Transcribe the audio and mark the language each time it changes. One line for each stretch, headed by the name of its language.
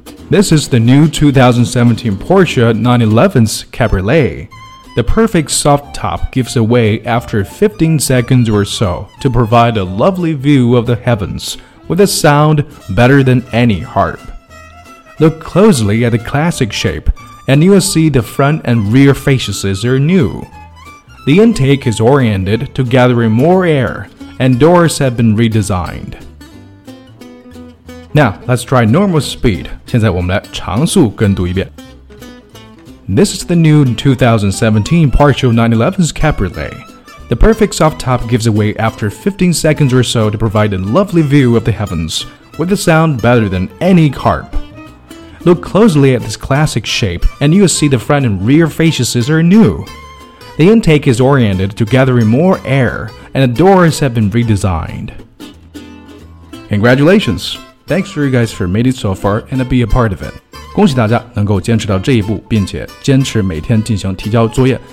English: This is the new 2017 Porsche 911's Cabriolet The perfect soft top gives away after 15 seconds or so to provide a lovely view of the heavens with a sound better than any harp Look closely at the classic shape and you'll see the front and rear faces are newThe intake is oriented to gathering more air, and doors have been redesigned. Now, let's try normal speed.
Chinese: 现在我们来长速跟读一遍。
English: This is the new 2017 Porsche 911's Cabriolet. The perfect soft top gives away after 15 seconds or so to provide a lovely view of the heavens, with a sound better than any harp. Look closely at this classic shape, and you'll see the front and rear faces are new. The intake is oriented to gathering more air, and the doors have been redesigned. Congratulations! Thanks for you guys for made it so far and be a part of it.
Chinese: 恭喜大家能够坚持到这一步，并且坚持每天进行提交作业。